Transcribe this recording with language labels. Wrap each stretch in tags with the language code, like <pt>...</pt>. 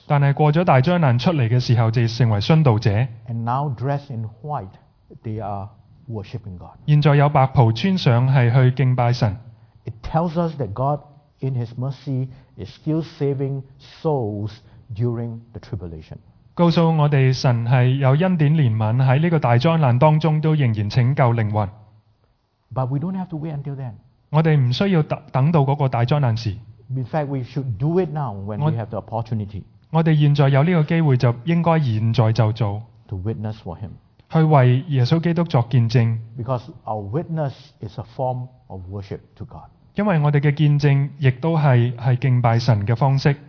<yue>但系过咗大灾难出嚟嘅时候，就成为殉道者。</yue> <en>And now dressed in white, they are worshiping God.</en> <yue>现在有白袍穿上，系去敬拜神。</yue> <en>It tells us that God, in His mercy, is still saving souls during the tribulation.</en> <yue>告诉我哋，神系有恩典怜悯喺呢个大灾难当中，都仍然拯救灵魂。</yue> <en>But we don't have to wait until then.</en> <yue>我哋唔需要等到嗰个大灾难时。</yue> <en>In fact, we should do it now when we have the opportunity.</en> <yue>我哋现在有呢个机会，就应该现在就做。</yue> <en>To witness for Him.</en> <yue>去为耶稣基督作见证。</yue> <en>Because our witness is a form of worship to God.</en> <yue>因为我哋嘅见证亦都系敬拜神嘅方式。</yue>